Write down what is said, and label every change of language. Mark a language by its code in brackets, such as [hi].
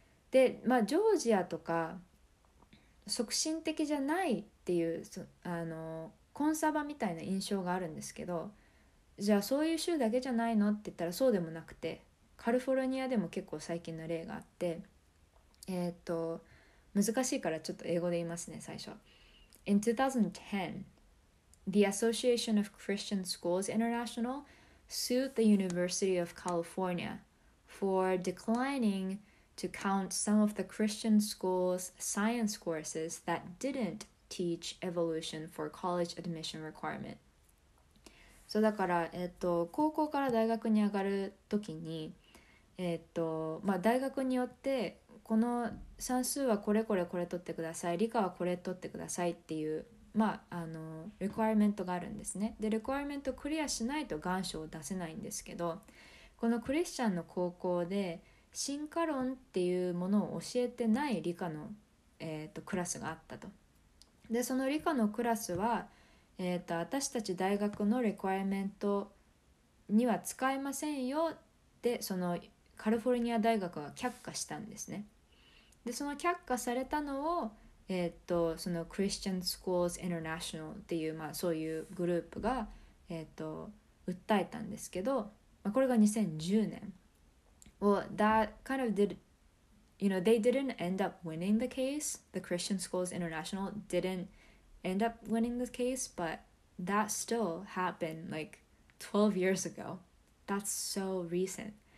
[ja] で、まあ、ジョージアとか促進的じゃないっていう、コンサバみたいな印象があるんですけど、じゃあそういう州だけじゃないのって言ったらそうでもなくて、カリフォルニアでも結構最近の例があって、難しいからちょっと英語で言いますね。 [en] 最初 In 2010 The Association of Christian Schools International sued the University of California for declining to count some of the Christian schools' science courses that didn'tteach evolution for college admission requirement. [ja] そうだから、高校から大学に上がるときに、まあ、大学によってこの算数はこれこれこれ取ってください、理科はこれ取ってくださいっていう、まあ、リクワイアメントがあるんですね。で、リクワイアメントクリアしないと願書を出せないんですけど、このクリスチャンの高校で進化論っていうものを教えてない理科の、クラスがあったと。で、その理科のクラスは、私たち大学のリクワイアメントには使えませんよって、そのカリフォルニア大学は却下したんですね。で、その却下されたのを、そのクリスチャン・スクールズ・インターナショナルっていう、まあ、そういうグループが、訴えたんですけど、まあ、これが2010年。 [en] Well, that kind of did, you know, they didn't end up winning the case. The Christian Schools International didn't end up winning the case, but that still happened like 12 years ago. That's so recent.